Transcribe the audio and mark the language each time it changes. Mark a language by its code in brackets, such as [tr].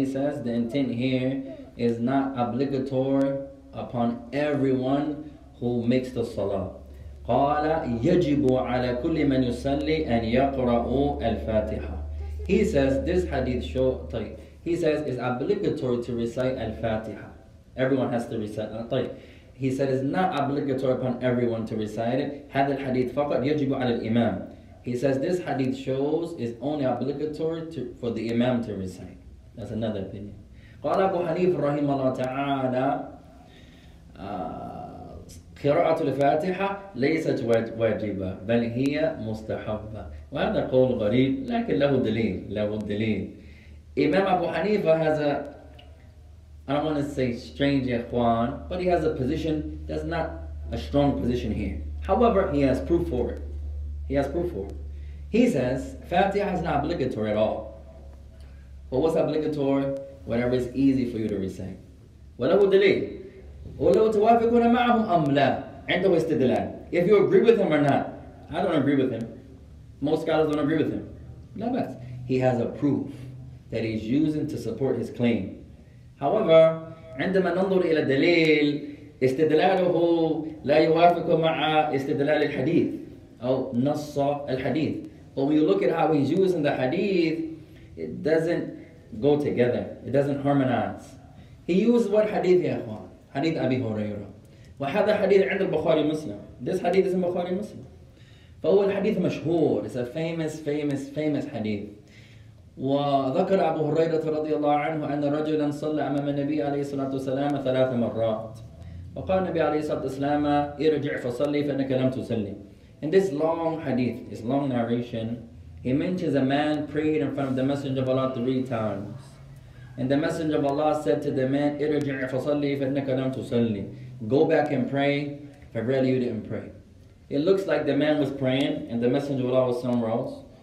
[en] He says the intent here is not obligatory upon everyone who makes the salah. [ar] قال يجب على كل من يصلي أن يقرأ الفاتحة. [en] He says this hadith show. طيب. He says it's obligatory to recite الفاتحة. Everyone has to recite. طيب. He said it's not obligatory upon everyone to recite it. [ar] هذا الحديث فقط يجب على الإمام. [en] He says this hadith shows is only obligatory to, for the Imam to recite. That's another opinion. [ar] قال أبو حنيفة رحمه الله تعالى قراءة الفاتحة ليست واجبة بل هي مستحبة. وهذا قول غريب لكن له دليل، له دليل. [en] إمام أبو حنيفة has a, I don't want to say strange إخوان, but he has a position that's not a strong position here. However, he has proof for it. He has proof for it. He says Fatiha is not obligatory at all. But what's obligatory? Whatever is easy for you to recite. [ar] وله دليل. ولو توافقون معهم أم لا عنده استدلال. [en] If you agree with him or not, I don't agree with him. Most scholars don't agree with him. No, but he has a proof that he's using to support his claim. [ar] However, عندما ننظر إلى الدليل استدلاله لا يوافق مع استدلال الحديث أو نص الحديث. [en] But when you look at how he's using the hadith, it doesn't go together. It doesn't harmonize. He used what hadith, ya ikhwan? Hadith Abi Huraira. [ar] وهذا حديث عند البخاري مسلم. [en] This hadith is in Bukhari Muslim. [ar] فهو الحديث مشهور. [en] It's a famous, famous, famous hadith. [ar] وذكر أبو هريرة رضي الله عنه أن رجلا صلى أمام النبي عليه الصلاة والسلام ثلاث مرات. وقال النبي عليه الصلاة والسلام ارجع فصلي فإنك لم تصلي. [en] In this long hadith, this long narration, he mentions a man prayed in front of the Messenger of Allah three times. And the Messenger of Allah said to the man, [ar] ارجع فصلي فإنك لم تصلي. [en] Go back and pray, for really you didn't pray. It looks like the man was praying and the Messenger of Allah was somewhere else.